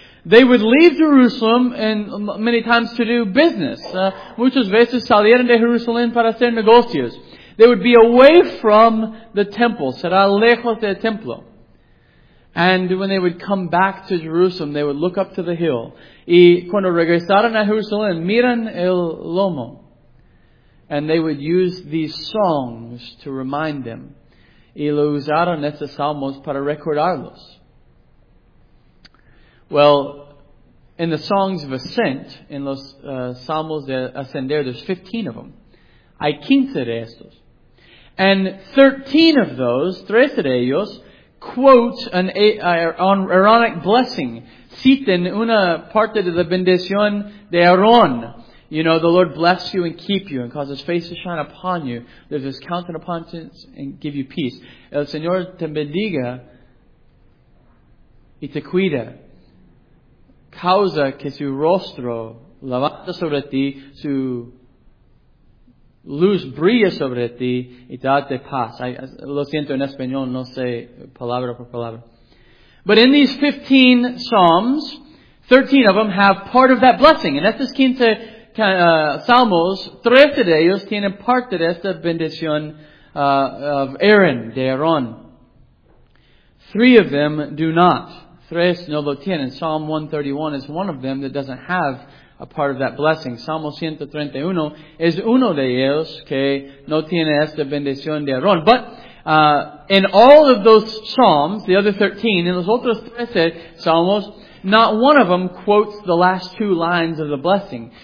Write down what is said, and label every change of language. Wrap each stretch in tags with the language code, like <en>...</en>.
<en>They would leave Jerusalem and many times to do business.</en> <es>Muchas veces salieron de Jerusalén para hacer negocios.</es> <en>They would be away from the temple.</en> <es>Será lejos del templo.</es> <en>And when they would come back to Jerusalem, they would look up to the hill.</en> <es>Y cuando regresaron a Jerusalén, miran el lomo.</es> <en>And they would use these songs to remind them.</en> <es>Y lo usaron estos salmos para recordarlos.</es> <en>Well, in the songs of ascent, in</en> <es>los salmos de ascender,</es> <en>there's 15 of them.</en> <es>Hay 15 de estos.</es> <en>And 13 of those,</en> <es>13 de ellos, quote an Aaronic blessing. Citen una parte de la bendición de Aarón.</es> <en>You know, the Lord bless you and keep you and cause His face to shine upon you. There's His countenance upon you and give you peace.</en> <es>El Señor te bendiga y te cuida. Causa que su rostro levanta sobre ti, su luz brilla sobre ti y te da paz. Lo siento en español, no sé palabra por palabra.</es> <en>But in these 15 psalms, 13 of them have part of that blessing.</en> <es>En estos 15 salmos, 13 de ellos tienen parte de esta bendición of Aaron, de Aarón.</es> <en>Three of them do not.</en> <es>Tres no lo tienen.</es> <en>Psalm 131 is one of them that doesn't have a part of that blessing.</en> <es>Salmo 131 es uno de ellos que no tiene esta bendición de Aarón.</es> <en>But in all of those psalms, the other 13, in</en> <es>los otros 13 salmos,</es> <en>not one of them quotes the last two lines of the blessing.</en>